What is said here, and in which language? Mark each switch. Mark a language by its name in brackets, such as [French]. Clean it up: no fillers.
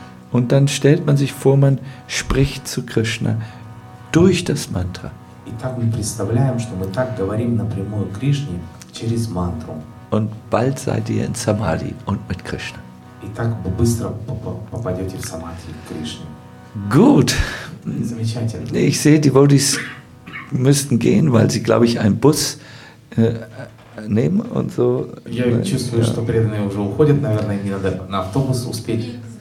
[German] Und dann stellt man sich vor, man spricht zu Krishna durch das Mantra. [Russian] И так мы представляем, что мы так говорим напрямую Кришне через мантру. [German] Und bald seid ihr in Samadhi und mit Krishna. [Russian] И так вы быстро попадете в Самадхи к Кришне. [German] Gut. [Russian] Замечательно. [German] Ich sehe, die Devotees müssten gehen, weil sie, glaube ich, einen Bus nehmen und so. [Russian] Я чувствую, что преданные уже уходят, наверное, не надо на автобус успеть.